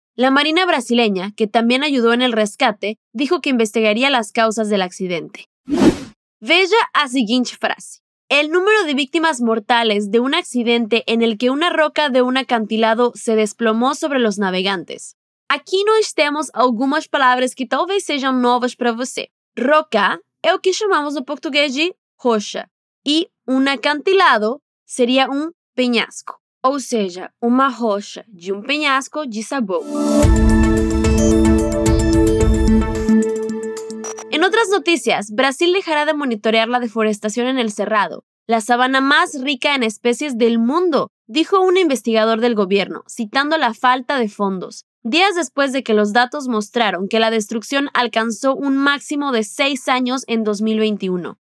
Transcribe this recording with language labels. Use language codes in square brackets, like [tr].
[es] La Marina brasileña, que también ayudó en el rescate, dijo que investigaría las causas del accidente. [pt] Veja a seguinte frase. [es] El número de víctimas mortales de un accidente en el que una roca de un acantilado se desplomó sobre los navegantes. [pt] Aqui nós temos algumas palavras que talvez sejam novas para você. Roca é o que chamamos no português de rocha. E um acantilado seria um penhasco. Ou seja, uma rocha de um penhasco de sabão. [es] En otras noticias, Brasil dejará de monitorear la deforestación en el Cerrado, la sabana más rica en especies del mundo, dijo un investigador del gobierno, citando la falta de fondos, días después de que los datos mostraron que la destrucción alcanzó un máximo de 6 años en 2021.